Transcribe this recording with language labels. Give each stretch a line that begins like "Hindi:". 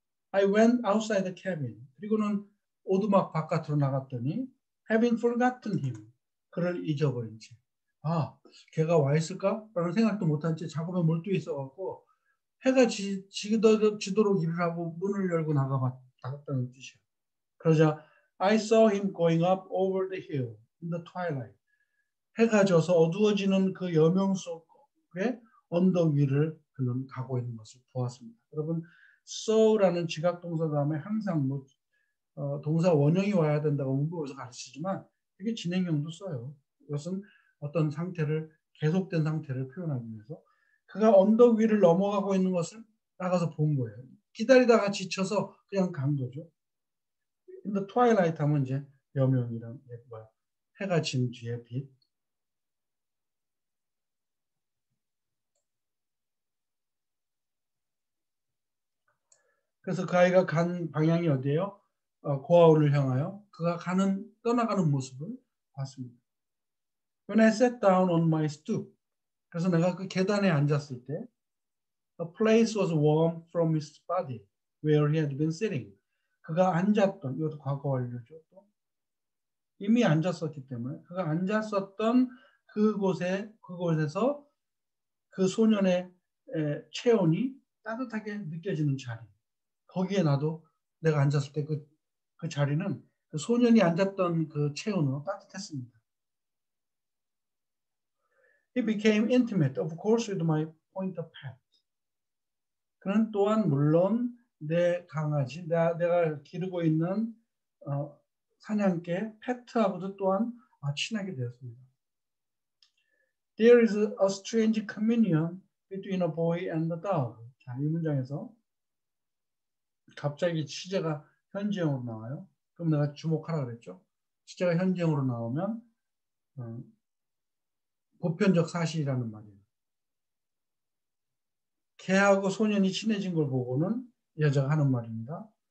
English: I went outside the cabin.
Korean: 그리고는 오두막 바깥으로 나갔더니
English: having forgotten him.
Korean: 그를 잊어버린 채 걔가 와 있을까? 라는 생각도 못한 채 작업에 몰두해 있어갖고 해가 지도록 일을 하고 문을 열고 나갔다는 뜻이야. 그러자
English: I saw him going up over the hill in the twilight.
Korean: 해가 져서 어두워지는 그 여명 속에 언덕 위를 그는 가고 있는 것을 보았습니다. 여러분, saw라는 지각동사 다음에 항상 동사 원형이 와야 된다고 문법에서 가르치지만 이게 진행형도 써요. 이것은 어떤 상태를 계속된 상태를 표현하기 위해서 그가 언덕 위를 넘어가고 있는 것을 나가서 본 거예요. 기다리다가 지쳐서 그냥 간 거죠. 근데 트와일라이트 하면 이제 여명이란 뭐야? 해가 진 뒤에 빛. 그래서 그 아이가 간 방향이 어디예요? 고아원을 향하여 그가 떠나가는 모습을 봤습니다.
English: When I sat down on my stoop,
Korean: 그래서 내가 그 계단에 앉았을 때,
English: the place was warm from his body where he had been sitting.
Korean: 그가 앉았던, 이것도 과거 완료죠. 이미 앉았었기 때문에 그가 앉았었던 그곳에서 그 소년의 체온이 따뜻하게 느껴지는 자리. 거기에 나도 내가 앉았을 때 그 자리는 그 소년이 앉았던 그 체온으로 따뜻했습니다.
English: He became intimate, of course, with my point of pet.
Korean: 그는 또한 물론 내 강아지, 내가 기르고 있는 사냥개, 페트하고도 또한 친하게 되었습니다.
English: There is a strange communion between a boy and a dog.
Korean: 자, 이 문장에서 갑자기 시제가 현지형으로 나와요. 그럼 내가 주목하라 그랬죠. 시제가 현지형으로 나오면 보편적 사실이라는 말이에요. 개하고 소년이 친해진 걸 보고는 여자가 하는 말입니다.